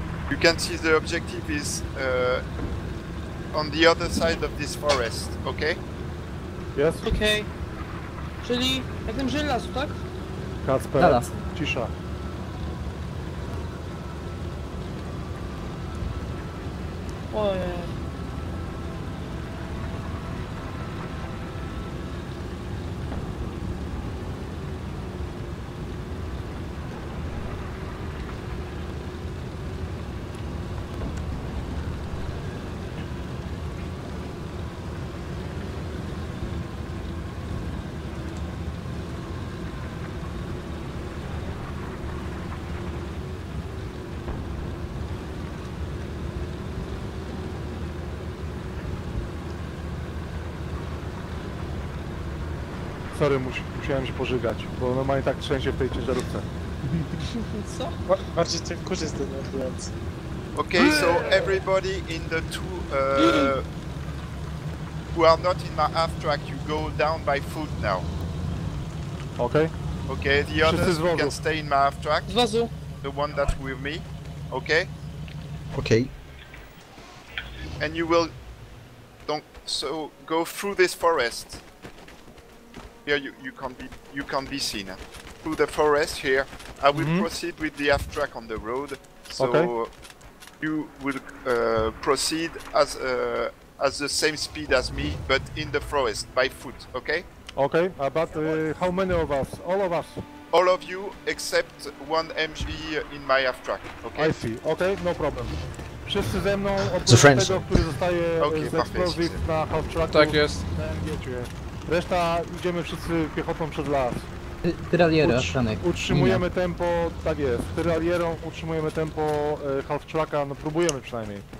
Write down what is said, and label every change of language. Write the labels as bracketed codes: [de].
[en] You can see the objective is on the other side of this forest, okay? Yes. Okay. [pl] Czyli jak ten żyl lasu, tak? Kasper, cisza. Sorry, musiałem się pożygać, bo normalnie tak trzęsie w tej ciężarówce. Co? Bardziej cię kurzy z tym odbywając. [en] Okay, so everybody in the two... who are not in my half track, you go down by foot now. Okay. Okay, the others can stay in my half track. [pl] Z wozu. [en] The one that's with me. Okay? Okay. And you will... Don't... So, go through this forest. Here you can be seen through the forest. Here I will proceed with the half track on the road. So you will proceed as the same speed as me, but in the forest by foot. Okay. Okay. But how many of us? All of us. All of you except one MG in my half track. Okay. I see. Okay. No problem. [pl] Wszyscy ze mną. Oprócz tego, który zostaje z explosive na half track. Tak jest. Reszta idziemy wszyscy piechotą przez las. Tyraliera, Franek. Utrzymujemy tempo, tak jest. Tyralierą utrzymujemy tempo half tracka, no próbujemy przynajmniej.